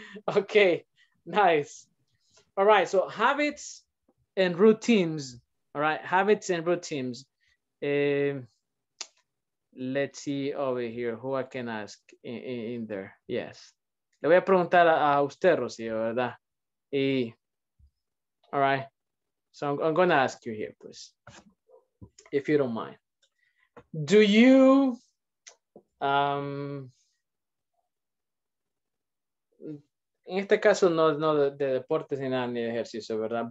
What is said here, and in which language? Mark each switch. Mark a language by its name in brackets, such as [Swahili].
[English] Okay, nice. All right, so habits and routines. All right, habits and routines. Let's see over here who I can ask in there. Yes. [Spanish] Le voy a preguntar a usted, Rocío, ¿verdad? [English] All right, so I'm going to ask you here, please, if you don't mind. Do you, [Spanish] en este caso, no de deportes ni nada, ni de ejercicio, ¿verdad?